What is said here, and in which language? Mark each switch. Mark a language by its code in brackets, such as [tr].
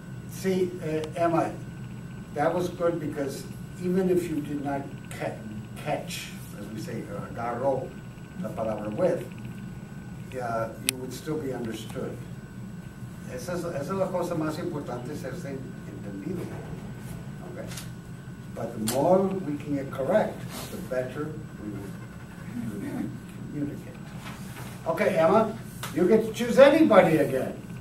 [en] See, Emma, that was good because even if you did not catch, as we say, agarró, the palabra with, you would still be understood. [es] Esa es la cosa más importante, serse entendido. [en] Okay. But the more we can get correct, the better we will communicate. Okay, Emma, you get to choose anybody again.